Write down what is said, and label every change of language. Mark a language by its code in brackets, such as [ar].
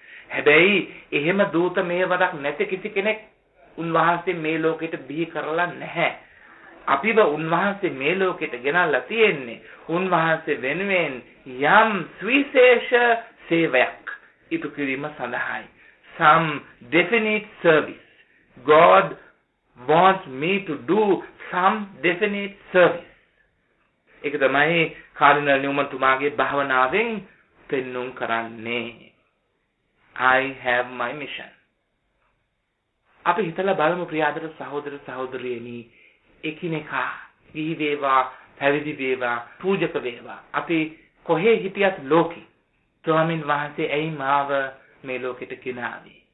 [si] හැබැයි එහෙම දූත මෙහෙවරක් නැති කිසි කෙනෙක් උන්වහන්සේ මේ ලෝකයට බිහි කරලා නැහැ. අපිව උන්වහන්සේ මේ ලෝකයට ගෙනල්ලා තියෙන්නේ උන්වහන්සේ වෙනුවෙන් යම් සුවිශේෂ සේවයක් ඉටු කිරීම සඳහායි. [en] Some definite service. God wants me to do some definite service. [si] ඒක තමයි කාර්ඩිනල් නියුමන් තුමාගේ භාවනාවෙන් පෙන්නුම් කරන්නේ. [en] I have my mission. [si] අපි හිතලා බලමු ප්‍රියදර සහෝදර සහෝදරියනි, එකිනෙකා ගිහි වේවා, පැවිදි වේවා, පූජක වේවා, අපි කොහේ හිටියත් ලෝකේ ස්වාමින් වහන්සේ ඇයි මාව මේ ලෝකෙට ගෙනාවේ?